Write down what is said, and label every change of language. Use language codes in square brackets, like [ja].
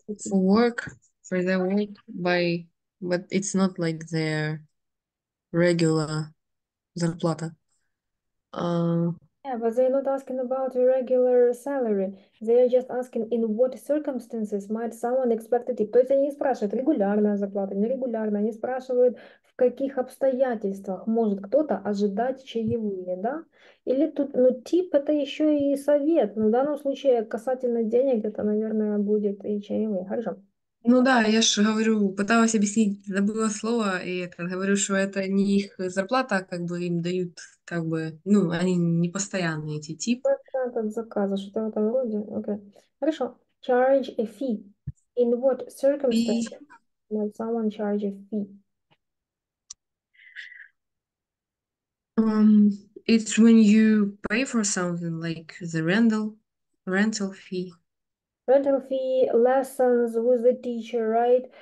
[en] For work, for their work, but it's not like their regular зарплата. Yeah, but they're not asking about a regular salary. They are just asking in what circumstances might someone expect a tip. [ru] То есть они не спрашивают регулярная зарплата, нерегулярная. Они спрашивают, в каких обстоятельствах может кто-то ожидать чаевые, да? Или тут, ну, тип это еще и совет. Но в данном случае касательно денег это, наверное, будет и чаевые. Хорошо. Ну да, я же говорю, пыталась объяснить, забыла слово, и это, говорю, что это не их зарплата, как бы им дают, как бы, ну, они не постоянные эти типы. Этот заказ, что-то в этом роде. Окей. Хорошо. [en] Charge a fee. In what circumstances might someone charge a fee? It's when you pay for something, like the rental fee. Rental fee, lessons with the teacher, right?